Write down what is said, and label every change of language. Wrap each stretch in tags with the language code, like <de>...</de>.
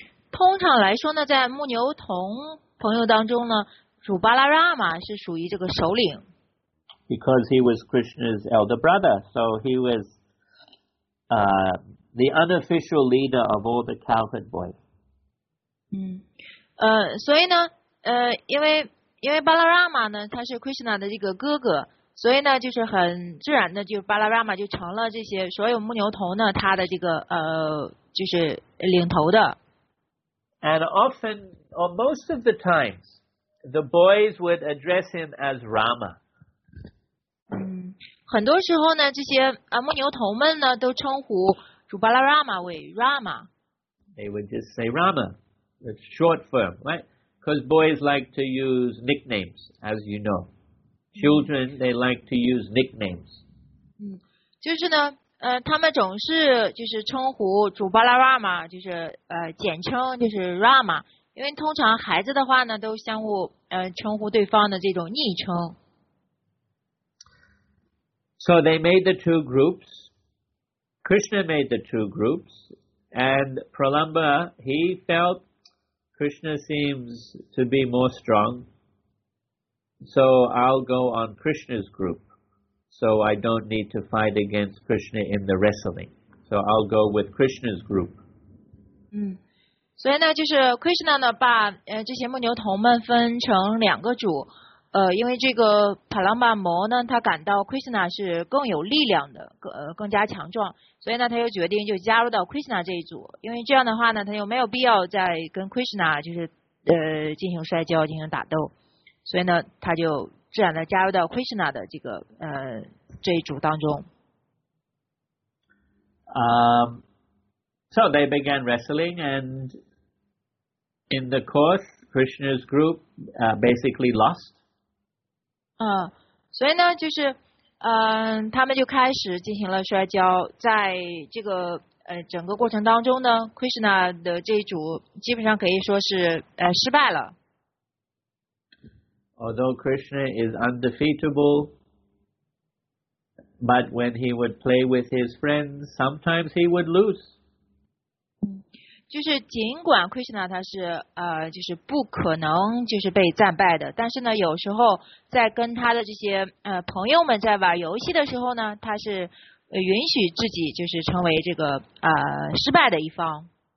<zh>通常来说呢，在牧牛童朋友当中呢，主巴拉拉玛是属于这个首领。</zh> <en>Because he was Krishna's elder brother, so he was the unofficial leader of all the cowherd boys.</en> <zh>所以呢，因为巴拉拉玛呢，他是 Krishna 的这个哥哥，所以呢，就是很自然的，就巴拉拉玛就成了这些所有牧牛童呢，他的这个就是领头的。</zh> <en>And often, or most of the times, the boys would address him as Rama.</en> <zh>很多时候呢，这些牧牛童们呢，都称呼主巴拉拉玛为 Rama.</zh> <en>They would just say Rama. It's short form, right? Because boys like to use nicknames, as you know. Children, they like to use nicknames.</en> <zh>就是呢。他们总是就是称呼主巴拉拉玛，就是简称就是 Rama， 因为通常孩子的话呢，都相互称呼对方的这种昵称。</zh> <en>So they made the two groups. Krishna made the two groups, and Pralamba he felt Krishna seems to be more strong. So I'll go on Krishna's group. So I don't need to fight against Krishna in the wrestling. So I'll go with Krishna's group.</en> <zh>所以呢，就是 Krishna 呢，把这些牧牛童们分成两个组。因为这个 Pralamba 魔呢，他感到 Krishna 是更有力量的，更加强壮，所以呢，他又决定就加入到 Krishna 这一组。因为这样的话呢，他又没有必要再跟 Krishna 就是进行摔跤、进行打斗，所以呢，他就。自然的加入到 Krishna 的这个这一组当中。</zh> <en>So they began wrestling, and in the course, Krishna's group basically lost.</en> <zh>所以呢，就是他们就开始进行了摔跤，在这个整个过程当中呢 ，Krishna 的这一组基本上可以说是失败了。</zh> <en>Although Krishna is undefeatable, but when he would play with his friends, sometimes he would lose.</en> <zh>就是尽管 Krishna 他是就是不可能就是被战败的，但是呢，有时候在跟他的这些朋友们在玩游戏的时候呢，他是允许自己就是成为这个失败的一方。</zh>